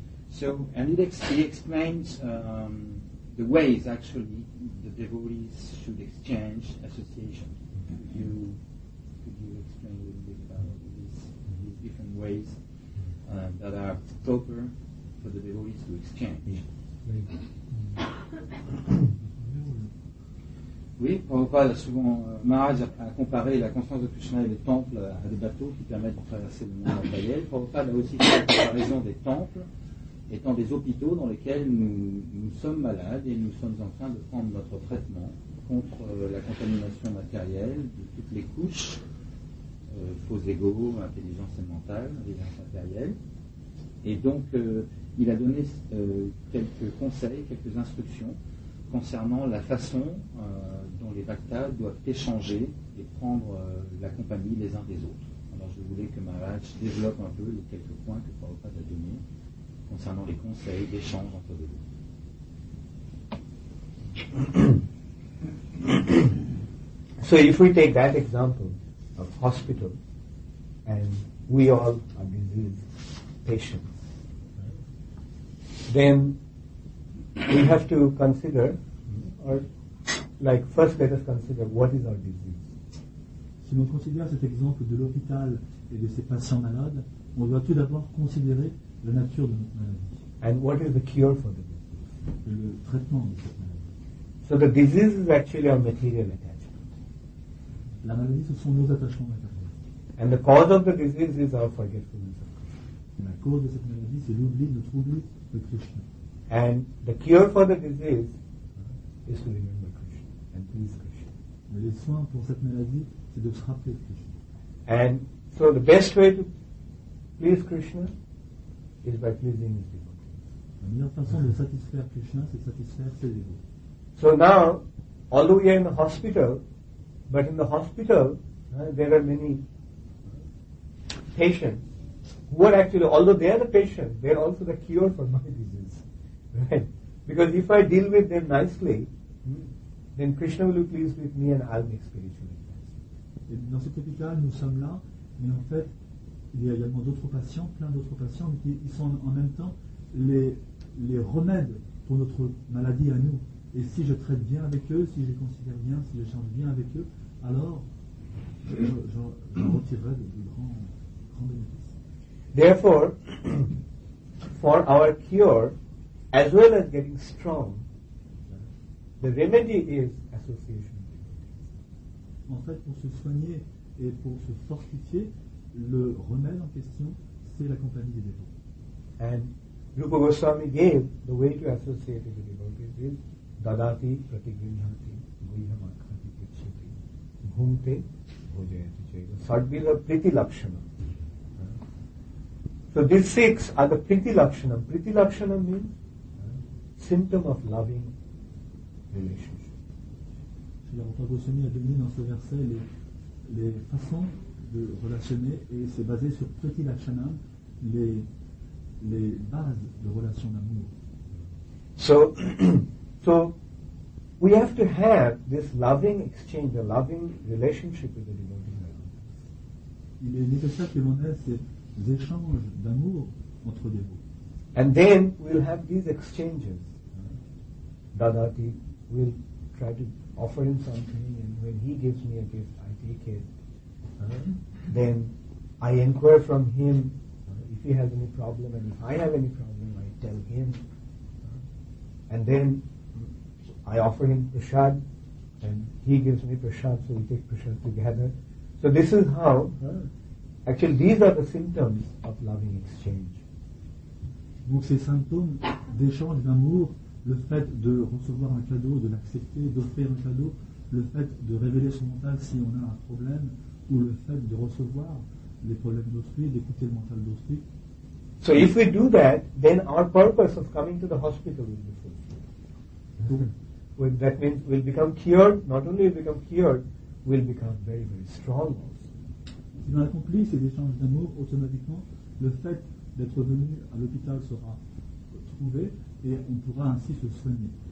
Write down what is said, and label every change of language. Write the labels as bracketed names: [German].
[English] So, and he explains the ways actually the devotees should exchange association. Could you explain a little bit about these different ways that are proper for the devotees to exchange? [French] Oui, Prabhupada souvent, Maharaj a comparé la conscience de Krishna et le temple à des bateaux qui permettent de traverser le monde matériel. Prabhupada a aussi fait la comparaison des temples étant des hôpitaux dans lesquels nous sommes malades et nous sommes en train de prendre notre traitement contre la contamination matérielle de toutes les couches, faux égo, intelligence mentale, intelligence matérielle. Et donc, il a donné quelques conseils, quelques instructions concernant la façon dont les bhaktas doivent échanger et prendre la compagnie les uns des autres. Alors je voulais que Maharaj développe un peu les quelques points que Prabhupada a donnés concernant les conseils d'échange entre les autres. [English] So if we take that example of hospital and we all are diseased patients, then we have to consider. Or, like, first let us consider what is our disease. [French] Si l'on considère cet exemple de l'hôpital et de ses patients malades, on doit tout d'abord considérer la nature de notre maladie. [English] And what is the cure for the disease? [French] Le traitement de cette maladie. [English] So the disease is actually our material attachment. [French] La maladie, ce sont nos attachements matériels. [English] And the cause of the disease is our forgetfulness of Krishna. [French] La cause de cette maladie, c'est l'oubli, notre oubli de Krishna. [English] And the cure for the disease is to remember Krishna and please Krishna. [French] Le soin pour cette maladie, c'est de se rappeler Krishna. [English] And so the best way to please Krishna is by pleasing his devotees. [French] La meilleure façon de satisfaire Krishna, c'est de satisfaire ses devotees. [English] So now, although we are in the hospital, but in the hospital, there are many patients who are actually, although they are the patient, they are also the cure for my disease. Right? Because if I deal with them nicely, then Krishna will be pleased with me and I'll be spiritually blessed. [French] Dans cet hôpital, nous sommes là, mais en fait, il y a également d'autres patients, plein d'autres patients, mais qui sont en même temps les remèdes pour notre maladie à nous. Et si je traite bien avec eux, si je les considère bien, si je change bien avec eux, alors je retirerai de grands bénéfices. [English] Therefore, for our cure, as well as getting strong, the remedy is association. [French] En fait, pour se soigner et pour se fortifier, le remède en question, c'est la compagnie des dévots. [English] And Rupa Goswami gave the way to associate with the devotees is [Sanskrit] dadati pratigrihati guhyamakhati pichyati bhumte bhojayati chayva sadbhir priti lakshanam. [English] So these six are the priti lakshanam. Priti lakshanam means symptom of loving relationship. [French] Srila Rupa Goswami a donné dans ce verset les façons de relationner et c'est basé sur priti lakshanam, les bases de relation d'amour. [English] So we have to have this loving exchange, a loving relationship with the devotee. [French] Il est nécessaire que l'on ait ces échanges d'amour entre les dévots. [English] And then we'll have these exchanges. Dadati will try to offer him something, and when he gives me a gift, I take it. Then I inquire from him if he has any problem, and if I have any problem, I tell him. And then I offer him prasad, and he gives me prasad, so we take prasad together. So this is how, actually these are the symptoms of loving exchange. [French] Donc ces symptômes d'échange d'amour, le fait de recevoir un cadeau, de l'accepter, d'offrir un cadeau, le fait de révéler son mental si on a un problème, ou le fait de recevoir les problèmes d'autrui, d'écouter le mental d'autrui. [English] So if we do that, then our purpose of coming to the hospital will be fulfilled. Well, that means we'll become cured, not only we'll become cured, we'll become very, very strong also. [French] Si on accomplit ces échanges d'amour, automatiquement, le fait d'être venu à l'hôpital sera trouvé et on pourra ainsi se soigner.